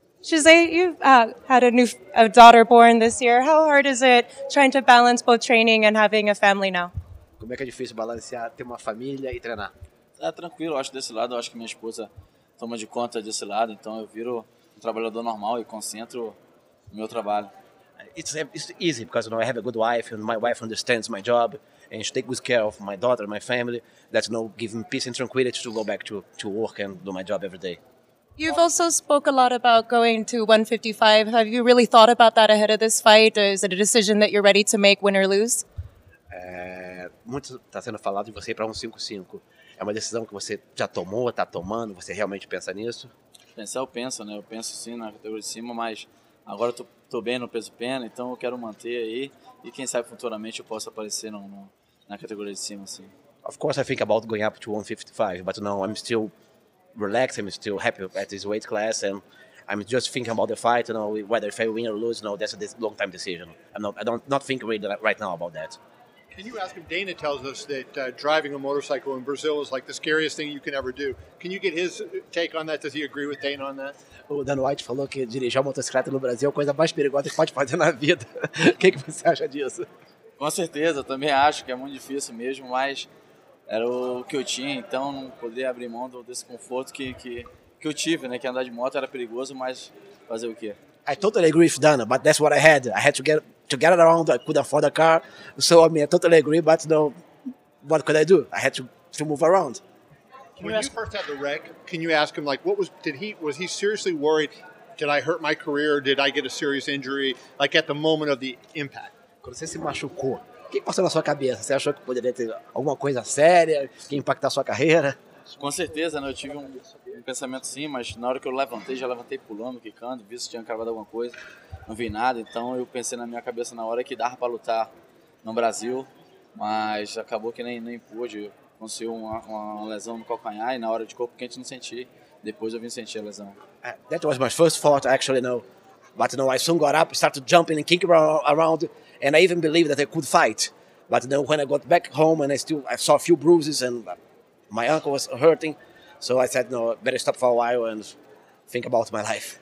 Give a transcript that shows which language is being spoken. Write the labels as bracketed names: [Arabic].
[English] Jose, you've had a daughter born this year. How hard is it trying to balance both training and having a family now? [Portuguese] Como é que é difícil balancear ter uma família e treinar? Tá tranquilo, acho desse lado, acho que minha esposa toma de conta desse lado, então eu viro um trabalhador normal e concentro no meu trabalho. [English] It's easy because you know, I have a good wife and my wife understands my job and she takes good care of my daughter, my family. That's you know, giving peace and tranquility to go back to work and do my job every day. You've also spoke a lot about going to 155. Have you really thought about that ahead of this fight? Or is it a decision that you're ready to make, win or lose? [Portuguese] Muito está sendo falado de você ir para 155. É uma decisão que você já tomou, está tomando? Você realmente pensa nisso? Pensar, eu penso, né? Eu penso sim na categoria de cima, mas agora eu estou bem no peso pena, então eu quero manter aí. E quem sabe futuramente eu possa aparecer na categoria de cima, sim. [English] Of course, I think about going up to 155, but no, I'm still relax, I'm still happy at this weight class, and I'm just thinking about the fight, you know, whether if I win or lose, you know, that's a long-time decision. I don't think really right now about that. Can you ask him, Dana tells us that driving a motorcycle in Brazil is like the scariest thing you can ever do. Can you get his take on that? Does he agree with Dana on that? [Portuguese] O Dan White falou que dirigir uma motocicleta no Brasil é a coisa mais perigosa que pode fazer na vida. O que você acha disso? Com certeza, também acho que é muito difícil mesmo, mas era o que eu tinha, então não poderia abrir mão desse conforto que eu tive, né? Que andar de moto era perigoso, mas fazer o quê? [English] I totally agree with Dana, but that's what I had. I had to get around, I couldn't afford a car. So, I mean, I totally agree, but no, what could I do? I had to move around. When you first had the wreck, can you ask him, like, was he seriously worried? Did I hurt my career? Did I get a serious injury? Like, at the moment of the impact. [Portuguese] Quando você se machucou, o que passou na sua cabeça? Você achou que poderia ter alguma coisa séria que impactar a sua carreira? Com certeza, né? Eu tive um pensamento sim, mas na hora que eu levantei, já levantei pulando, quicando, vi se tinha cravado alguma coisa, não vi nada. Então eu pensei na minha cabeça na hora que dava para lutar no Brasil, mas acabou que nem pude. Consegui uma lesão no calcanhar e na hora de corpo quente não senti. Depois eu vim sentir a lesão. [English] That was my first thought, actually, no. But no, I soon got up, started jumping and kicking around. And I even believed that I could fight. But then when I got back home and I saw a few bruises and my ankle was hurting. So I said, no, better stop for a while and think about my life.